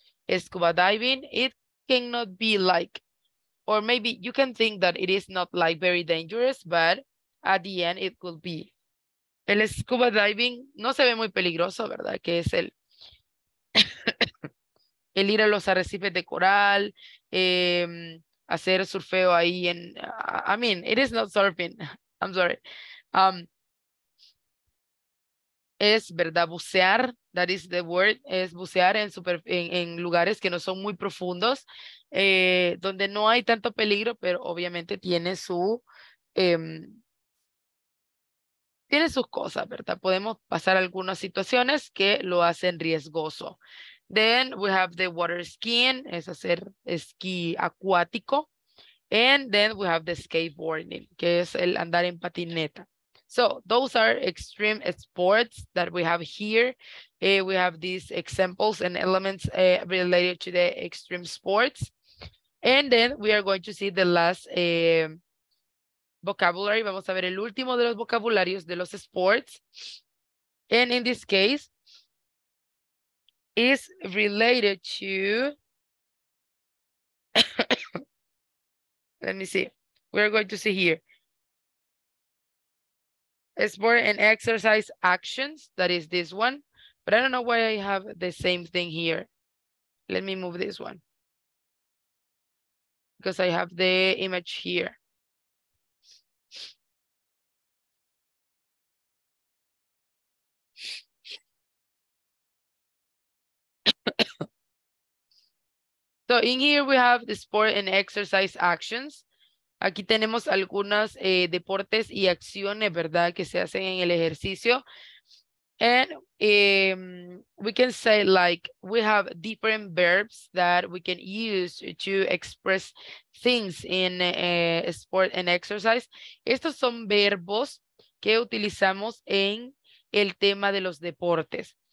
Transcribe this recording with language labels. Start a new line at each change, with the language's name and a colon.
English: Scuba diving, it cannot be like, or maybe you can think that it is not like very dangerous, but at the end it could be.
Spanish: El scuba diving no se ve muy peligroso, ¿verdad? Que es el el ir a los arrecifes de coral, hacer surfeo ahí en,
English: I mean, it is not surfing, I'm sorry.
Spanish: Es, ¿verdad?, bucear,
English: that is the word,
Spanish: es bucear en lugares que no son muy profundos, donde no hay tanto peligro, pero obviamente tiene sus cosas, ¿verdad? Podemos pasar algunas situaciones que lo hacen riesgoso.
English: Then we have the water skiing,
Spanish: es hacer esquí acuático.
English: And then we have the skateboarding,
Spanish: que es el andar en patineta.
English: So those are extreme sports that we have here. We have these examples and elements related to the extreme sports. And then we are going to see the last vocabulary.
Spanish: Vamos a ver el último de los vocabularios de los sports.
English: And in this case, is related to, let me see, we are going to see here. Sport and exercise actions, that is this one. But I don't know why I have the same thing here. Let me move this one, because I have the image here. So in here we have the sport and exercise actions.
Spanish: Aquí tenemos algunas deportes y acciones, ¿verdad? Que se hacen en el ejercicio.
English: And we can say like we have different verbs that we can use to express things in sport and exercise.
Spanish: Estos son verbos que utilizamos en el tema de los deportes.